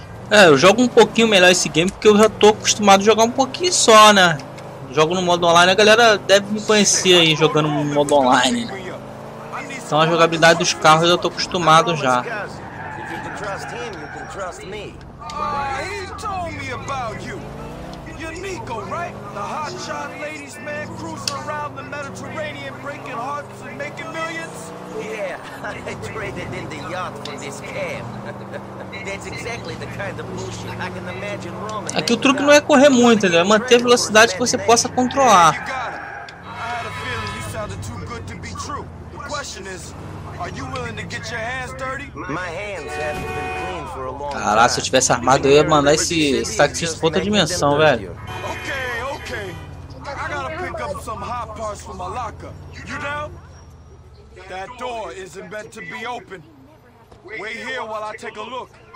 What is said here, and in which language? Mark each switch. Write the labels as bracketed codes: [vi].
[pt] É, eu jogo um pouquinho melhor esse game porque eu já tô acostumado a jogar um pouquinho só, né? Jogo no modo online, a galera deve me conhecer aí jogando no modo online. Então a jogabilidade dos carros eu tô acostumado já. [en] trust him, you can trust me. He told me about you. You're Nico, right? The hotshot ladies' man cruising around the Mediterranean, breaking hearts and making millions? Yeah, I traded in the yacht for this cab. That's exactly the kind of bullshit I can imagine Roman. [pt] Aqui o truque não é correr muito, né? É manter a velocidade que você possa controlar. [en] I had a feeling you sounded too good to be true. The question is, are you willing to get your hands dirty? My hands haven't been clean for a long time. [pt] Caralho, se eu tivesse armado, eu ia mandar esse taxista pra outra dimensão, velho. [en] Okay. I gotta pick up some hot parts for my locker. You down? That door isn't meant to be open. Wait here while I take a look.